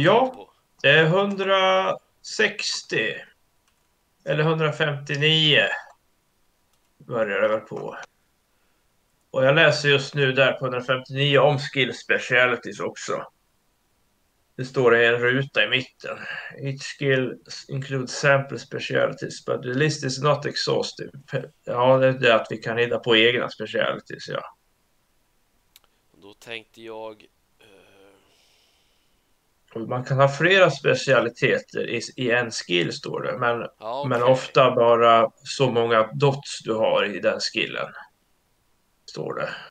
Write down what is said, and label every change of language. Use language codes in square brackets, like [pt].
[sv] ja, på? Det är 160. Eller 159. Börjar det väl på. Och jag läser just nu där på 159 om skill specialities också. Det står i en ruta i mitten. [en] Each skill includes sample specialties, but the list is not exhaustive. [sv] Ja, det är det att vi kan hitta på egna specialties, ja. Då tänkte jag. Man kan ha flera specialiteter i en skill, står det, Ja, men okej. ofta bara så många dots du har i den skillen, står det.